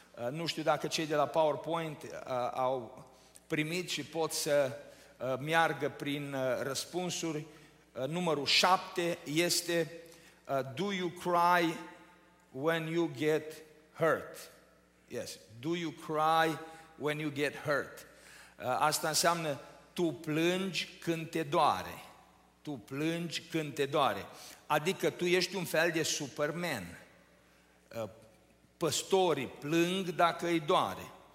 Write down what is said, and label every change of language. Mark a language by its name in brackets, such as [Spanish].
[Romanian] Nu știu dacă cei de la PowerPoint au primit și pot să meargă prin răspunsuri. Numărul 7 este [English] do you cry when you get hurt? Yes, do you cry when you get hurt? [Romanian] Asta înseamnă tu plângi când te doare. Tu plângi când te doare. Adică tu ești un fel de Superman. Păstorii plâng dacă îi doare.